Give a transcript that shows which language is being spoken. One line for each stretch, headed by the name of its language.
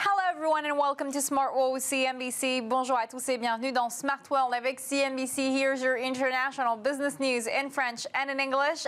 English: everyone and welcome to Smart World with CNBC.
French: Bonjour à tous et bienvenue dans Smart World avec CNBC.
English: Here's your international business news in French and in English.